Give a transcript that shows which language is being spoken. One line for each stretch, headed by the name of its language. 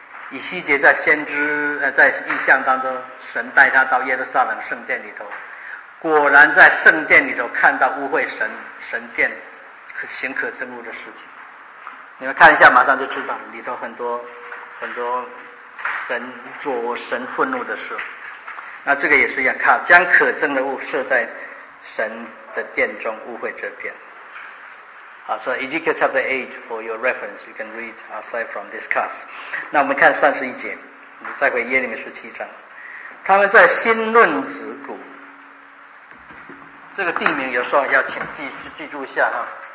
Chinese: 以西结在先知在异象当中，神带他到耶路撒冷圣殿里头，果然在圣殿里头看到污秽神殿行可憎恶的事情。你们看一下马上就知道里头很多很多神作神愤怒的事。那这个也是一样，看将可憎的物设在神的殿中污秽这殿。好，所以
English: Ezekiel chapter 8 for your reference, you can read aside from this class.
Chinese: 那我们看三十一节，再回耶利米书七章，他们在新论子谷，这个地名有时候要请记住一下啊。